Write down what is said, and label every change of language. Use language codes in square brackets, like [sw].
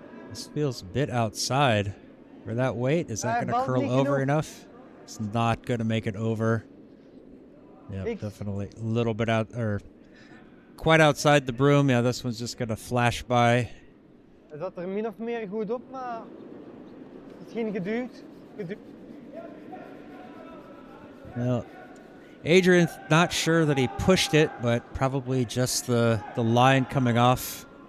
[en] This feels a bit outside for that weight. Is that gonna curl over enough? It's not gonna make it over. Yeah, definitely a little bit out or quite outside the broom. Yeah, this one's just gonna flash by. [nl] Het had er min of meer goed op, maar het is geen geduwd. [en] Well, Adrian's not sure that he pushed it, but probably just the line coming off.